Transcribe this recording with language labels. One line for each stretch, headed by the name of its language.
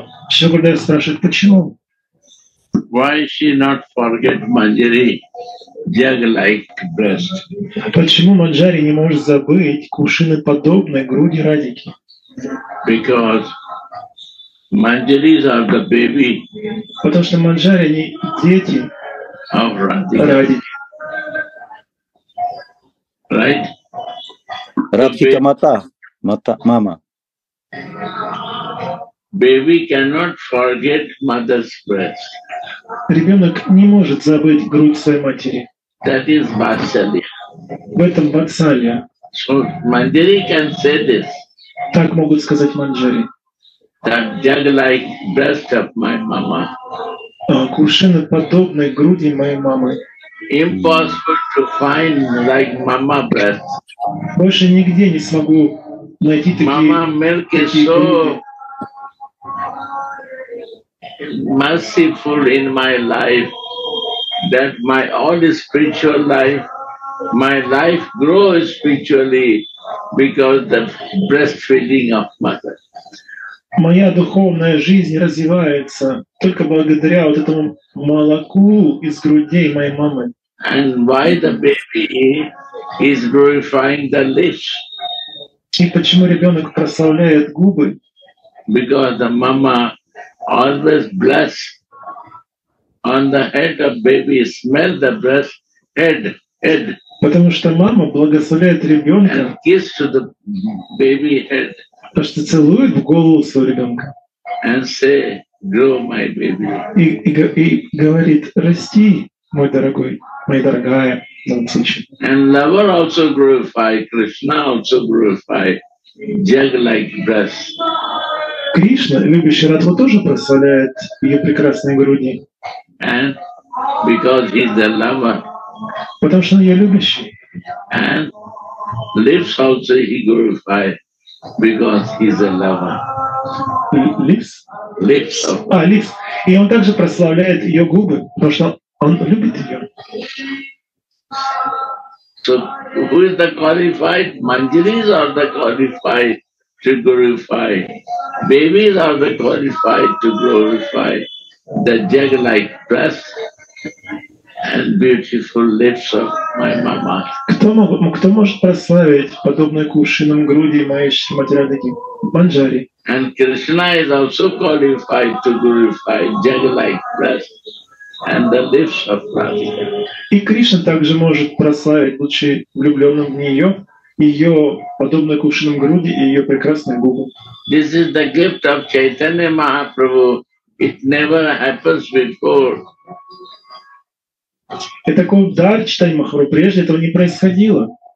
Russian: Шукадев спрашивает, почему?
English: Why she not forget Manjari jug-like breast?
Russian: Почему Манджари не может забыть кувшины подобной груди Радики?
English: Because Manjaris are the baby.
Russian: Потому что Манджари они дети.
English: Of Radhika. Right? Radhika Mata. Mata, Mama. Baby cannot forget mother's breast.
Russian: Ребенок не может забыть грудь своей матери.
English: That is Vatsalya.
Russian: В этом Vatsalya.
English: So Manjari can say this.
Russian: Так могут сказать Манджари.
English: That jug-like breast of my mama.
Russian: Кувшины подобной груди моей мамы.
English: Impossible to find like mama breast.
Russian: Больше нигде не смогу найти такие.
English: Mama milk is so merciful in my life that my all spiritual life, my life grows spiritually because the breastfeeding of mother.
Russian: Моя духовная жизнь развивается только благодаря вот этому молоку из грудей моей мамы.
English: And why the baby is glorifying the lips?
Russian: И почему ребенок прославляет губы?
English: Because the mama always bless on the head of baby, smell the breast, head.
Russian: Потому что мама благословляет ребенка.
English: And kiss to the baby head.
Russian: Потому что целует в голову своего ребенка.
English: And say, grow my baby.
Russian: И говорит, расти, мой дорогой, моя дорогая.
English: And lover also glorify, Krishna also glorify, jug-like breast.
Russian: Кришна, любящий Радху, тоже прославляет ее прекрасные груди.
English: And because he's the lover.
Russian: Потому что он ее любящий.
English: And lips also he glorify. Because he's a lover. Lips. Lips.
Russian: И он также прославляет ее губы, потому что он любит ее.
English: So who is the qualified? Manjari's or the qualified to glorify. Babies are the qualified to glorify the jug-like breast and beautiful lips of my mama.
Russian: Кто может прославить подобное кушинам груди моей матерадики Манджари?
English: And Krishna is also qualified to glorify jug-like breast and the lips of Radhika.
Russian: И Кришна также может прославить лучше влюбленным в нее ее подобное кушинам груди и ее прекрасные губы.
English: This is the gift of Chaitanya Mahaprabhu. It never happens before.
Russian: Это такой дар Чайтанья Махапрабху. Прежде этого не происходило.